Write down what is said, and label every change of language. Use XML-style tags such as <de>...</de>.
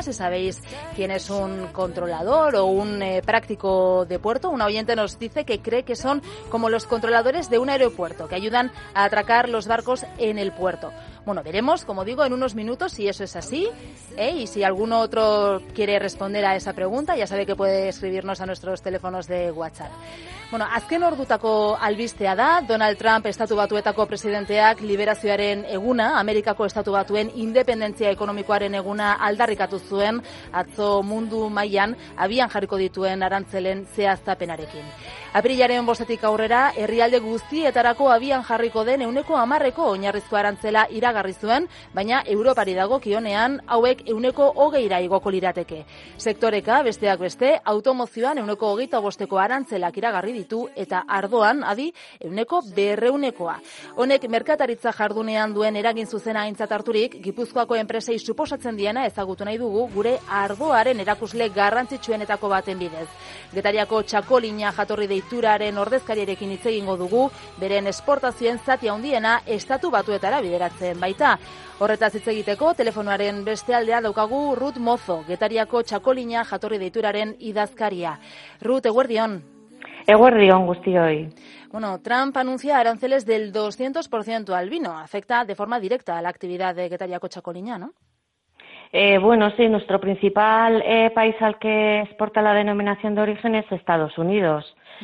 <es>Si sabéis quién es un controlador o un práctico de puerto, un oyente nos dice que cree que son como los controladores de un aeropuerto, que ayudan a atracar los barcos en el puerto. Bueno, veremos, como digo, en unos minutos si eso es así, y si algún otro quiere responder a esa pregunta, ya sabe que puede escribirnos a nuestros teléfonos de WhatsApp.</es> <eu>Bueno, azken ordutako albistea da, Donald Trump estatu batuetako presidenteak liberazioaren eguna, Amerikako estatu batuen independentzia ekonomikoaren eguna aldarrikatu zuen, atzo mundu mailan abian jarriko dituen arantzelen zehaztapenarekin. Apirilaren bostetik aurrera, herrialde guztietarako abian jarriko den 10%-ko oinarrizko arantzela iragarri zuen, baina Europari dagokionean hauek 20%-ra igoko lirateke. Sektoreka, besteak beste, automozioan 25%-ko arantzelak iragarri ditu eta ardoan, adi, 200%-koa. Honek merkataritza jardunean duen eragin zuzena aintzat harturik, Gipuzkoako enpresei suposatzen diena ezagutu nahi dugu gure ardoaren erakusle garrantzitsuenetako baten bidez. Getariako txakolina jatorri deituraren ordezkariarekin hitz egingo dugu, beren esportazioen zati handiena estatu batuetara bideratzen baita. Horretaz hitz egiteko telefonoaren beste aldea daukagu Ruth Mozo, Getariako txakolina jatorri deituraren idazkaria. Ruth, eguerdion. Eguerdion guztioi.</eu> <es>Bueno, Trump anuncia aranceles del 200% al vino, afecta de forma directa a la actividad de Getariako txakolina, ¿no? Bueno, sí, nuestro principal país al que exporta la denominación de origen es Estados Unidos.</es>